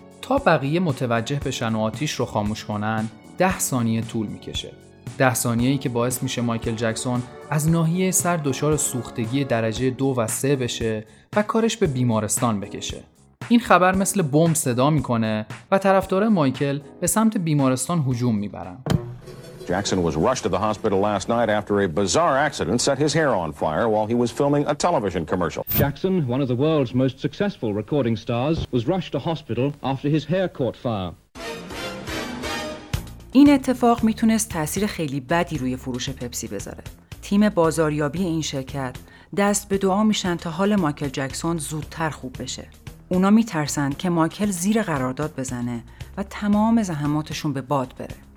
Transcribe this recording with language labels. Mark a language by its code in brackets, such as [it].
[fa] تا بقیه متوجه بشن و آتیش رو خاموش کنن 10 ثانیه طول میکشه. 10 ثانیه‌ای که باعث میشه مایکل جکسون از ناحیه سر دچار سوختگی درجه 2 و 3 بشه و کارش به بیمارستان بکشه. این خبر مثل بمب صدا میکنه و طرفدارای مایکل به سمت بیمارستان هجوم میبرن. [en] Jackson was rushed to the hospital last night after a bizarre accident set his hair on fire while he was filming a television commercial. Jackson, one of the world's most successful recording stars, was rushed to hospital after his hair caught fire. [fa] این اتفاق میتونست تأثیر خیلی بدی روی فروش پپسی بذاره. تیم بازاریابی این شرکت دست به دعا میشن تا حال مایکل جکسون زودتر خوب بشه. اونا میترسن که مایکل زیر قرارداد بزنه و تمام زحماتشون به باد بره.